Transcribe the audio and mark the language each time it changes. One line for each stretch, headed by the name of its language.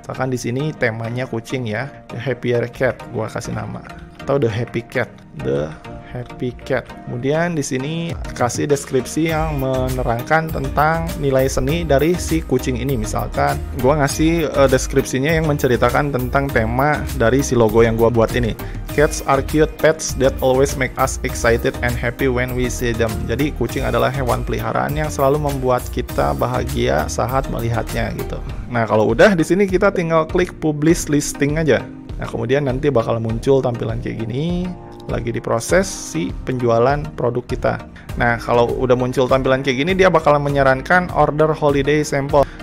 Indonesian: Misalkan di sini temanya kucing ya, The Happier Cat, gua kasih nama, atau The Happy Cat, The Happy Cat. Kemudian di sini kasih deskripsi yang menerangkan tentang nilai seni dari si kucing ini. Misalkan gua ngasih deskripsinya yang menceritakan tentang tema dari si logo yang gua buat ini.
English: Cats are cute pets that always make us excited and happy when we see them.
Indonesian: Jadi kucing adalah hewan peliharaan yang selalu membuat kita bahagia saat melihatnya gitu. Nah, kalau udah di sini kita tinggal klik publish listing aja. Nah, kemudian nanti bakal muncul tampilan kayak gini. Lagi diproses si penjualan produk kita. Nah, kalau udah muncul tampilan kayak gini, dia bakal menyarankan order holiday sample.